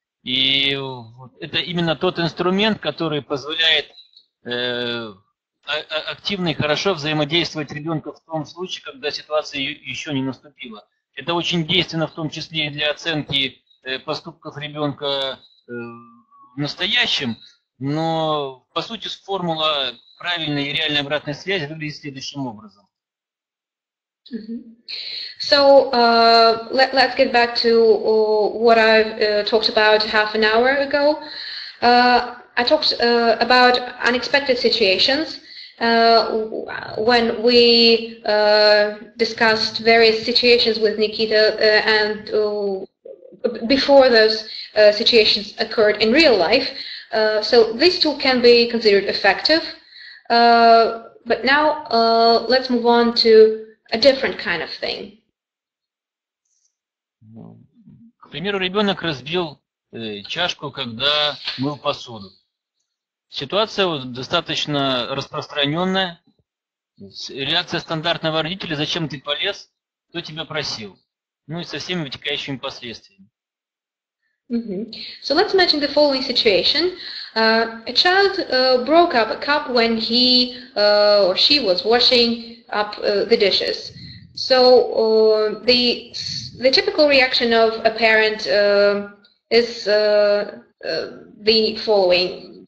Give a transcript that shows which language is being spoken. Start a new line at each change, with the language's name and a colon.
Russian: И это именно тот инструмент, который позволяет активно и хорошо взаимодействовать ребенка в том случае, когда ситуация еще не наступила. Это очень действенно, в том числе и для оценки поступков ребенка в настоящем, но по сути формула правильной и реальной обратной связи выглядит следующим образом. Mm-hmm.
English: So let's get back to what I talked about half an hour ago. I talked about unexpected situations when we discussed various situations with Nikita and before those situations occurred in real life. So these two can be considered effective. But now let's move on to a different kind of thing.
Russian: К примеру, ребенок разбил чашку, когда мыл посуду. Ситуация достаточно распространенная. Реакция стандартного родителя: зачем ты полез, кто тебя просил? Ну и со всеми вытекающими последствиями.
English: Mm-hmm. So let's imagine the following situation. A child broke up a cup when he or she was washing up the dishes. So the typical reaction of a parent is the following.